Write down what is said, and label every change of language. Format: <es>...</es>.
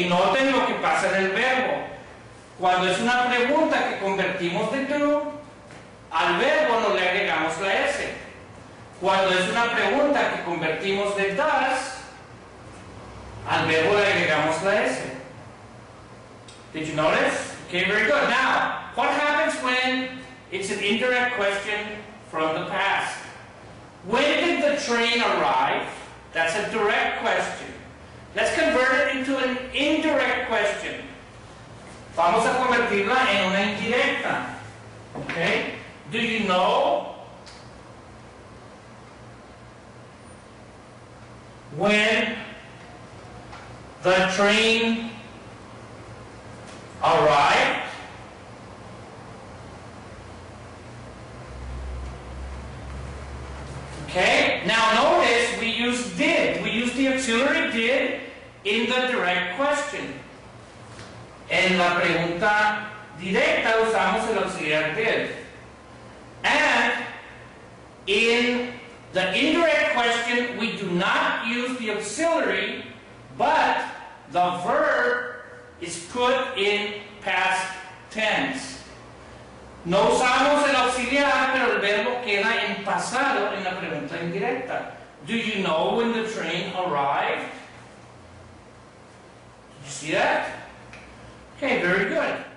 <es>Y noten lo que pasa en el verbo. Cuando es una pregunta que convertimos de do, al verbo no le agregamos la S. Cuando es una pregunta que convertimos de does, al verbo le agregamos la S.</es> <en>Did you notice? Okay, very good. Now, what happens when it's an indirect question from the past? When did the train arrive? That's a direct question. Let's convert it into an indirect question.</en> <es>Vamos a convertirla en una indirecta.</es> <en>Okay? Do you know when the train arrived? Okay, now notice we use did. We use the auxiliary did in the direct question.</en> <es>En la pregunta directa usamos el auxiliar did.</es> <en>And in the indirect question, we do not use the auxiliary, but the verb is put in past tense.</en> <es>No usamos el auxiliar, pero el verbo queda en pasado en la pregunta indirecta.</es> <en>Do you know when the train arrived? Did you see that? Okay, very good.</en>